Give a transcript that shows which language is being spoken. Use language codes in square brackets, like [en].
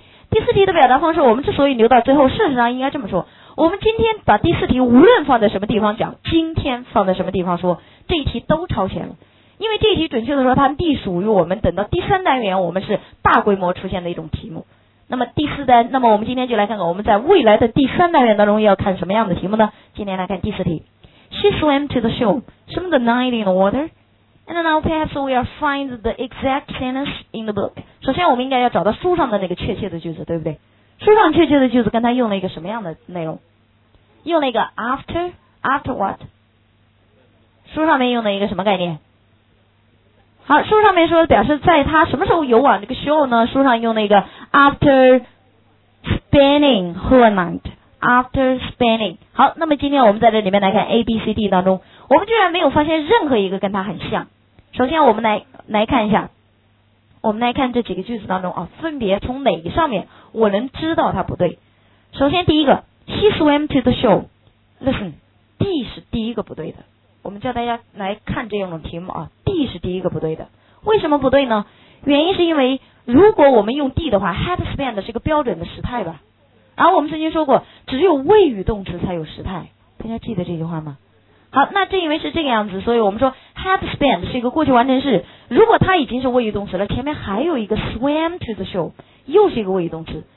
[zh] 第四题的表达方式我们之所以留到最后，事实上应该这么说，我们今天把第四题无论放在什么地方讲，今天放在什么地方说，这一题都超前了。因为这一题准确的说它隶属于我们等到第三单元我们是大规模出现的一种题目。那么第四单，那么我们今天就来看看我们在未来的第三单元当中要看什么样的题目呢？今天来看第四题。 [en] She swam to the shore, swam the night in the water. And now perhaps we are find the exact sentence in the book. [zh] 首先我们应该要找到书上的那个确切的句子，对不对？书上确切的句子跟他用了一个什么样的内容？用了一个 [en] after what？ [zh] 书上面用了一个什么概念？好，书上面说表示在他什么时候游往这个 shore 呢？书上用那个 [en] after spending her night， after spending。 [zh] 好，那么今天我们在这里面来看 ABCD 当中，我们居然没有发现任何一个跟他很像。首先我们来看一下，我们来看这几个句子当中啊，分别从哪个上面我能知道他不对。首先第一个 [en] She swam to the shore， listen， [zh] D 是第一个不对的。我们叫大家来看这样的题目啊， D 是第一个不对的。为什么不对呢？原因是因为如果我们用 D 的话， had spent 是个标准的时态吧。然后我们曾经说过只有谓语动词才有时态，大家记得这句话吗？好，那正因为是这个样子，所以我们说 had spent 是一个过去完成式，如果它已经是谓语动词了，前面还有一个 [en] swam to the shore [zh] 又是一个谓语动词。